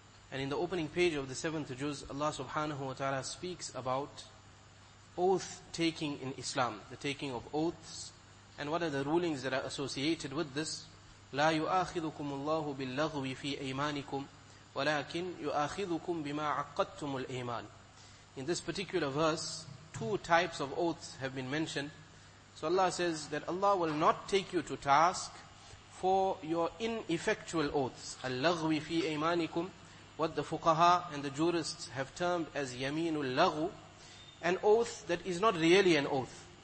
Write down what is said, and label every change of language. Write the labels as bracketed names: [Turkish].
[English] And in the opening page of the seventh juz, Allah subhanahu wa ta'ala speaks about oath taking in Islam, the taking of oaths, and what are the rulings that are associated with this. [Arabic] لا يؤاخذكم الله باللغو في أيمانكم ولكن يؤاخذكم بما عقدتم الأيمان. [English] In this particular verse, two types of oaths have been mentioned. So Allah says that Allah will not take you to task for your ineffectual oaths. [Arabic] اللغو في أيمانكم, [English] what the fuqaha and the jurists have termed as [Arabic] يمين اللغو, [English] an oath that is not really an oath.